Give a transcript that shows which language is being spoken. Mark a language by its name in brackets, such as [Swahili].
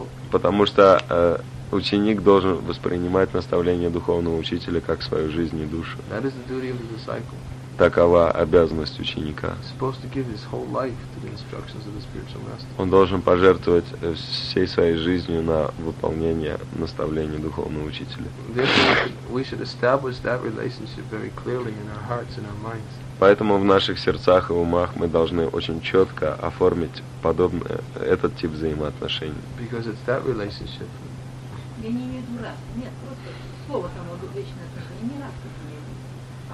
[Russian] Потому что ученик должен воспринимать наставления духовного учителя как свою жизнь и душу. [English] That is the duty of the disciple. [Russian] Такова обязанность ученика. [English] He's supposed to give his whole life to the instructions of the spiritual master. [Russian] Он должен пожертвовать всей своей жизнью на выполнение наставлений духовного учителя. [English] We should establish that relationship very clearly in our hearts and our minds. [Russian] Поэтому в наших сердцах и умах мы должны очень четко оформить подобное, этот тип взаимоотношений. [English] Because it's that relationship. [Russian] Я не имею в виду раз. Нет, просто слово там вечное отношение. Не раз, как я имею в виду.